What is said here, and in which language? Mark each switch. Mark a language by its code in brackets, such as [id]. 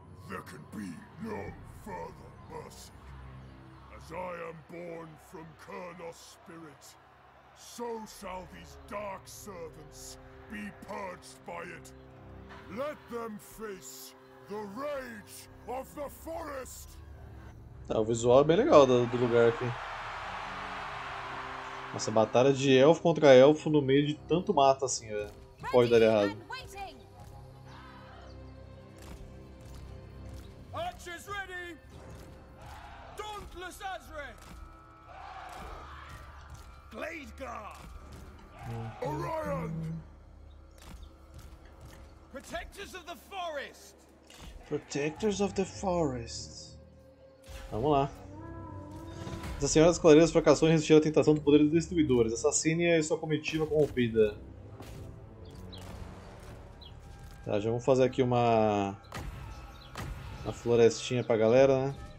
[en] There can be no further mercy. As I am born from Kurnos' spirit, so shall these dark servants be purged by it. Let them face the rage of the forest. [pt] Tá, o visual é bem legal do lugar aqui. Nossa, batalha de elfo contra elfo no meio de tanto mato assim, velho. Que pode dar errado. [en] Archers ready. Dauntless Azrael. Glade Guard! Orion! Protectors of the forest. Protectors of the forest. [pt] Vamos lá. A Senhora das Clareiras fracassou em resistir à tentação do poder dos destruidores. Assassine e sua comitiva corrompida. Tá, já vamos fazer aqui uma florestinha pra galera, né?